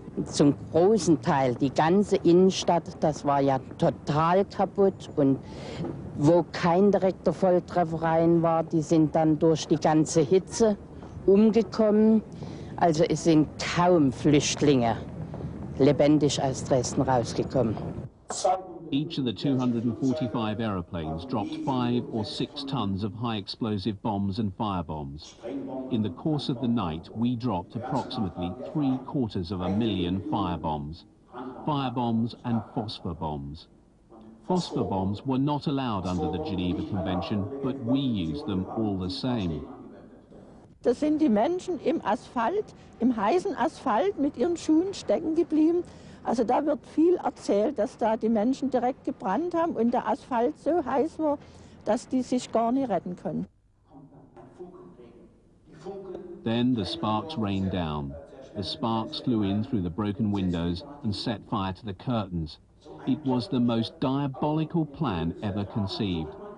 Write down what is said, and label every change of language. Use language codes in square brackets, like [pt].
[de] Zum großen Teil, die ganze Innenstadt, das war ja total kaputt und wo kein direkter Volltreffer rein war, die sind dann durch die ganze Hitze umgekommen. Also es sind kaum Flüchtlinge lebendig aus Dresden rausgekommen. [en] Each of the 245 aeroplanes dropped 5 or 6 tons of high-explosive bombs and firebombs. In the course of the night, we dropped approximately 750,000 firebombs. Firebombs and phosphor bombs. Phosphor bombs were not allowed under the Geneva Convention, but we used them all the same. [de] Da sind die Menschen im Asphalt, im heißen Asphalt, mit ihren Schuhen stecken geblieben. Also da wird viel erzählt, dass da die Menschen direkt gebrannt haben und der Asphalt so heiß war, dass die sich gar nicht retten können. [en] Then the sparks rained down. The sparks flew in through the broken windows and set fire to the curtains. It was the most diabolical plan ever conceived.